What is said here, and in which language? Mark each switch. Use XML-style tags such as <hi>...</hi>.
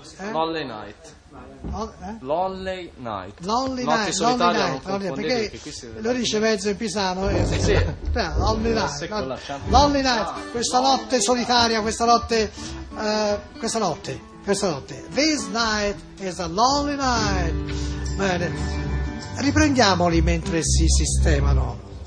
<en>Lonely Night. Lonely Night. Lonely Night.</en> <it>Notte solitaria, non confondete. Perché lo dice mezzo in pisano. Sì.</it> <en>Lonely Night. Lonely Night.</en> <it>Questa notte solitaria, questa notte... Questa notte.</it> <en>This night is a lonely night.</en> <it>Bene. Riprendiamoli mentre si sistemano.</it>